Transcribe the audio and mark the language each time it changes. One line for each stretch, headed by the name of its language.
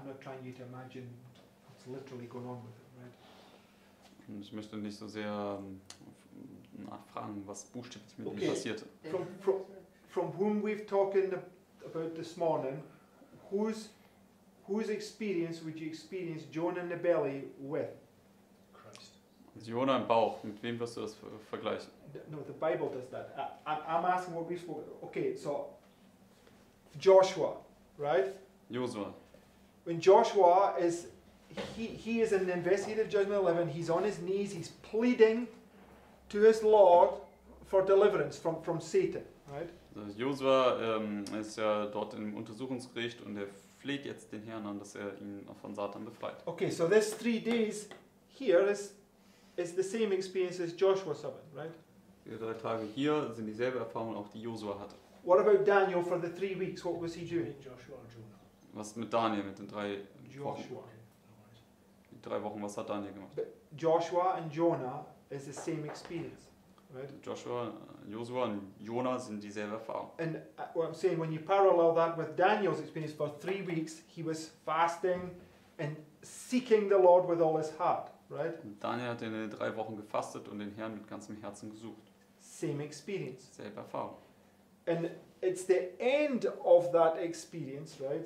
English: I'm not trying you to imagine what's literally going on with him, right?
German: Und ich möchte nicht so sehr nachfragen, was buchstäblich mit ihm passierte.
English: From whom we've talking about this morning, whose experience would you experience Jonah in the belly with?
German: Jonah im Bauch, mit wem wirst du das vergleichen?
English: No, the Bible does that. I'm asking what we spoke. Okay, so Joshua, right? Joshua. When Joshua is, he is in the investigative judgment 11, he's on his knees, he's pleading to his Lord for deliverance from Satan, right?
German: Also Joshua ist ja dort im Untersuchungsgericht und er fleht jetzt den Herrn an, dass er ihn von Satan befreit.
English: Okay, so this 3 days here is... It's the same experience as Joshua 7, right?
German: Die 3 Tage hier sind dieselbe Erfahrung, auch die Joshua hatte.
English: What about Daniel for the 3 weeks? What was he doing? Joshua or Jonah?
German: Was mit Daniel mit den 3 Wochen? Die 3 Wochen, was hat Daniel gemacht?
English: But Joshua and Jonah is the same experience, right?
German: Joshua und Jonah sind dieselbe Erfahrung.
English: And what I'm saying, when you parallel that with Daniel's experience for 3 weeks, he was fasting and seeking the Lord with all his heart. Right?
German: Daniel hat in den 3 Wochen gefastet und den Herrn mit ganzem Herzen gesucht.
English: Same experience.
German: Selbe Erfahrung.
English: And it's the end of that experience, right?